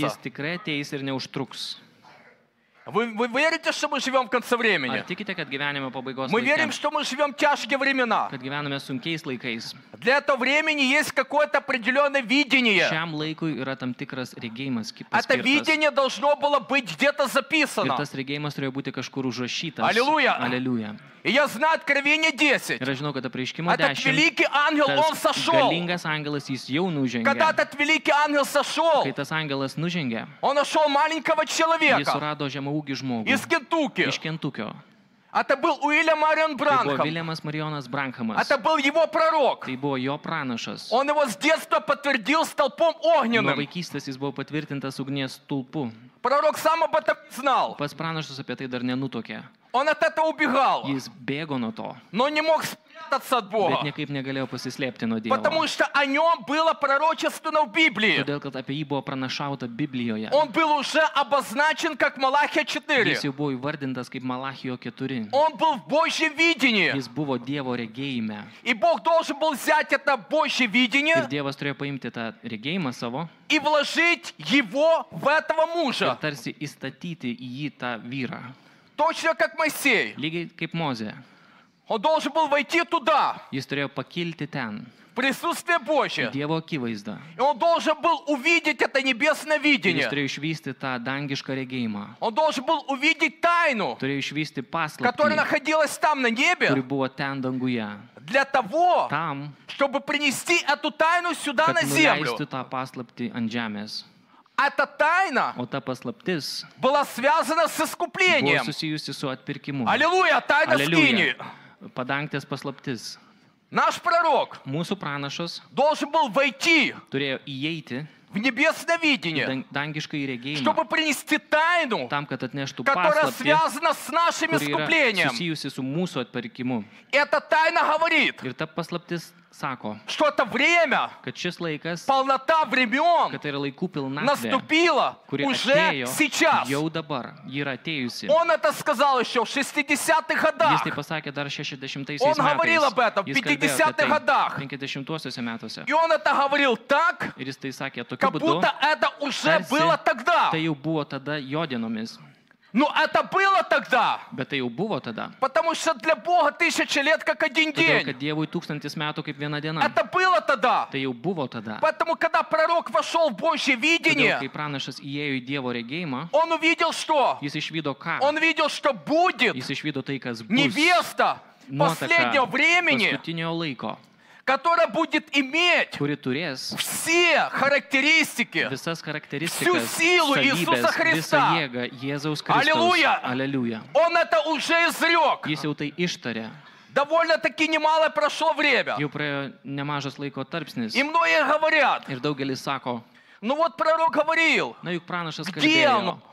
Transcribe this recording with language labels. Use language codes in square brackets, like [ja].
[lt] Jis tikrai ateis ir neužtruks. [ru] Вы верите, что мы живем в конце времени? [lt] Ar tikite, kad gyvenime pabaigos laikai? [ru] Мы верим, что мы живем в тяжкие времена. [lt] Kad gyvename sunkiais laikais. [ru] Для этого времени есть какое-то определенное видение. [lt] Šiam laikui yra tam tikras regėjimas paskirtas. [ru] Это видение должно было быть где-то записано. [lt] Ir tas regėjimas turėjo būti kažkur užrašytas. [ru] Аллилуйя. Аллилуйя. И я знаю откровение 10. [lt] Ir aš žinau, kad apreiškimo 10. [ru] Этот великий ангел, он сошел. [lt] Galingas angelas, jis jau nužengė. [ru] Когда этот великий ангел сошел. [lt] Kai tas angelas nužengė. [ru] Он нашел маленького человека. [lt] Jis surado žemą ūgį žmogų. [ru] Из Кентуки. [lt] Iš Кентукио. [ru] Это был Уильям Марион Бранхам. [lt] Tai buvo Viljamas Marionas Branhamas. [ru] Это был его пророк. [lt] Tai buvo jo pranašas. [ru] Он его с детства подтвердил столпом огненным. [lt] Nuo vaikystės jis buvo patvirtintas ugnies stulpu. [ru] Пророк сам об этом знал. [lt] Pas pranašas apie tai dar nenutokė. [ru] Он от этого убегал. [lt] Jis bėgo nuo to. [ru] Но не мог спрятаться от Бога. [lt] Bet niekaip negalėjo pasislėpti nuo Dievo. [ru] Потому что о нем было пророчествовано в Библии. [lt] Todėl, kad apie jį buvo pranašauta Biblijoje. [ru] Он был уже обозначен как Малахия 4. [lt] Jis jau buvo įvardintas kaip Malachijo 4. [ru] Он был в Божьем видении. [lt] Jis buvo Dievo regėjime. [ru] И Бог должен был взять это Божье видение. [lt] Ir Dievas turėjo paimti tą regėjimą savo. [ru] И вложить его в этого мужа. [lt] Ir tarsi įstatyti į jį tą vyrą. [ru] Точно как Моисей. [lt] Lygiai kaip Mozė. [ru] Он должен был войти туда. [lt] Jis turėjo pakilti ten. [ru] Присутствие Божие. [lt] Dievo akivaizda. [ru] И он должен был увидеть это небесное видение. [lt] Jis turėjo išvysti tą dangišką regėjimą. [ru] Он должен был увидеть тайну. [lt] Turėjo išvysti paslaptį. [ru] Которая находилась там на небе. [lt] Kuri buvo ten danguje. [ru] Для того, [lt] там, [ru] чтобы принести эту тайну сюда на землю. [lt] Kad nuleisti tą paslaptį ant žemės. [ru] Эта тайна [lt] та паслаптис [ru] была связана с искуплением. [lt] Buvo susijusi su atpirkimu. [ru] Аллилуйя, тайна скинии. [lt] Padangtės paslaptis. [ru] Наш пророк, [lt] mūsų pranašas, [ru] должен был войти, [lt] turėjo įeiti [ru] в небесное видение, [lt] į dangiškąjį regėjimą, [ru] чтобы принести тайну, [lt] там, kad atneštų paslaptį, [ru] которая связана с нашим искуплением. [lt] Susijusi su mūsų atpirkimu. [ru] Эта тайна говорит, [lt] ir ta paslaptis sako, [ru] что это время, [lt] kad šis laikas, [ru] полнота времен, [lt] kad yra laikų pilnatvė, [ru] наступила уже сейчас. [lt] Jau dabar, yra atėjusi. [ru] Он это сказал еще в 60-х годах. [lt] Jis tai pasakė dar 60-aisiais metais. [ru] Он говорил об этом в 50-х годах. [lt] 50-osiuose metuose. [ru] И он это говорил так, [lt] ir jis tai sakė tokiu [ru] как [lt] būdu, [ru] будто это уже [lt] tarsi, [ru] было тогда. [lt] Tai jau buvo tada jo dienomis. [ru] Ну это было тогда. [lt] Bet tai jau buvo tada. [ru] Потому что для Бога тысяча лет как один день. [lt] Todėl, kad Dievui tūkstantis metų kaip viena diena. [ru] Это было тогда. [lt] Tai jau buvo tada. [ru] Потому когда пророк вошел в Божье видение. [lt] Todėl, kai pranašas įėjo į Dievo regėjimą. [ru] Он увидел что? [lt] Jis išvydo ką? [ru] Он видел что будет. [lt] Jis išvydo tai kas bus. [ru] Невеста последнего времени. [lt] Paskutinio laiko. [ru] Которая будет иметь [lt] kuri turės [ru] все характеристики, [lt] visas характеристикas, [ru] всю силу [lt] savybės, [ru] Иисуса Христа. [lt] Visą jėgą Jėzaus Kristaus. [ru] Аллилуйя! Аллилуйя! Он это уже изрек. [lt] Jis jau tai ištarė. [ru] Довольно-таки немало прошло время. [lt] Jau praėjo nemažas laiko tarpsnis. [ru] И многие говорят. [lt] Ir daugelis sako. [ru] Ну вот пророк говорил. [lt] Na juk pranašas kalbėjo.